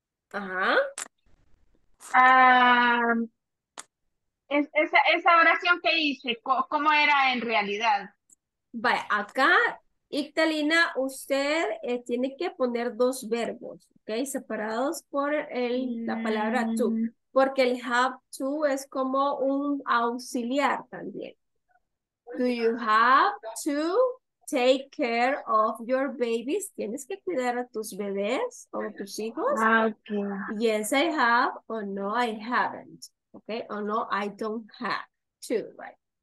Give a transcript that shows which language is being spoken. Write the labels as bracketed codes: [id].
[es] Esa oración que hice, ¿cómo era en realidad? Vaya, acá, Ictalina, usted tiene que poner dos verbos, ¿ok? Separados por la palabra to, porque el have to es como un auxiliar también. [en] Do you have to take care of your babies? [es] ¿Tienes que cuidar a tus bebés o a tus hijos? [en] Okay. Yes, I have, or no, I haven't. Okay, or no, I don't have to, right?